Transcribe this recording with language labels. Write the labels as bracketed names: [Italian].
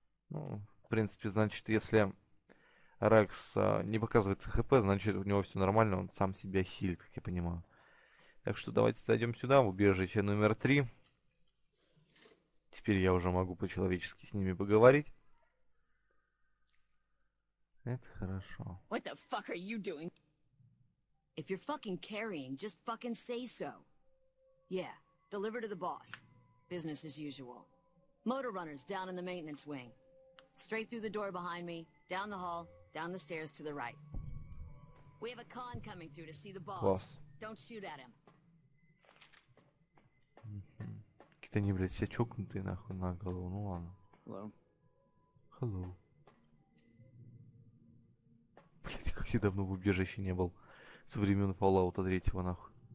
[Russian] Ну, в принципе, значит, если Ракс не показывается хп, значит, у него все нормально, он сам себя хилит, как я понимаю. Так что давайте зайдем сюда, в убежище номер 3. Теперь я уже могу по-человечески с ними поговорить. Это хорошо. [English] What the fuck are you doing? If you're fucking carrying, just fucking say so. Yeah, deliver to the boss. Business as usual. Motor runners down in the maintenance wing. Straight through the door behind me, down the hall, down the stairs to the right. We have a con coming through to see the boss. Don't shoot at him. [Russian] Какие-то они, блядь, все чокнутые нахуй на голову, ну ладно. [English] Hello. Hello. [Russian] Блядь, как я давно в убежище не был. Со времен Fallout 3 нахуй.